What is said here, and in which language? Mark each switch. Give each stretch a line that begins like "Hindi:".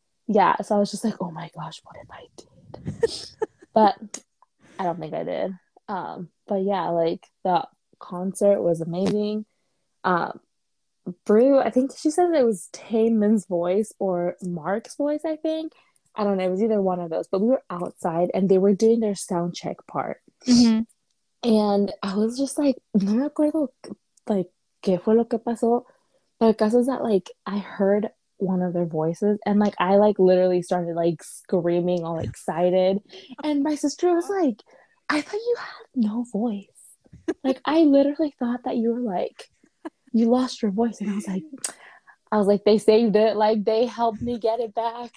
English: Yeah, so I was just like, oh, my gosh, what did I do? But I don't think I did. But yeah, like the concert was amazing. Brew, I think she said it was Taman's voice or Mark's voice, I think. I don't know. It was either one of those. But we were outside and they were doing their sound check part. And I was just like,
Spanish: no me acuerdo, like, ¿qué fue lo que pasó?
English: But the caso is that, like, I heard one of their voices and like I like literally started like screaming all excited, and my sister was like, I thought you had no voice, like I literally thought that you were like you lost your voice. And I was like they saved it, like they helped me get it back.